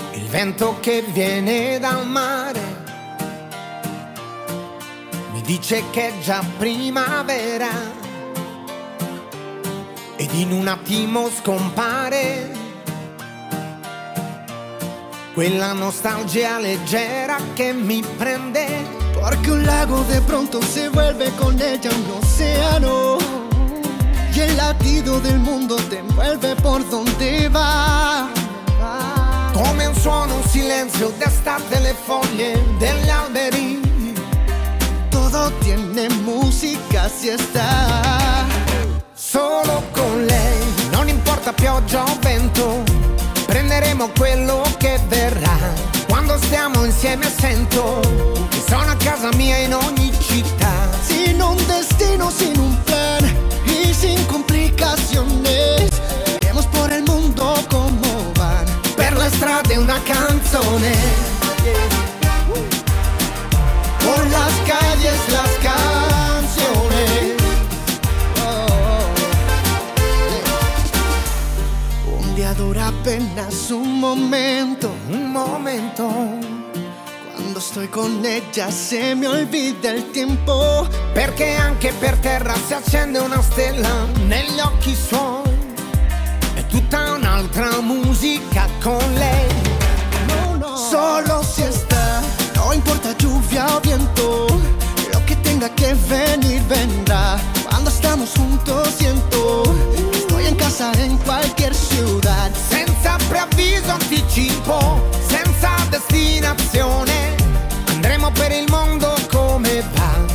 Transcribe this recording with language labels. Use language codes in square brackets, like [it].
[it] Vento che viene dal mare mi dice che è già primavera ed in un attimo scompare quella nostalgia leggera che mi prende. [es] Porque un lago de pronto se vuelve con ella un océano y el latido del mundo te envuelve por donde va. [it] Come un suono, un silenzio d'estate, le foglie degli alberi. [es] Todo tiene música si está [it] solo con lei. Non importa pioggia o vento, prenderemo quello che verrà. Quando stiamo insieme sento che sono a casa mia in ogni città. [es] Sin un destino, sin un plan y sin complicaciones, iremos por el mundo como [it] strade una canzone, [es] por las calles las canciones. Un día dura apenas un momento, un momento. Cuando estoy con ella se me olvida el tiempo. [it] Perché anche per terra si accende una stella negli occhi suoi. Tutta un'altra musica con lei. No, no. Solo si sta. [es] No importa lluvia o viento, lo que tenga que venir vendrá. Cuando estamos juntos siento que estoy en casa en cualquier ciudad. [it] Senza preavviso anticipo, senza destinazione, andremo per il mondo come va.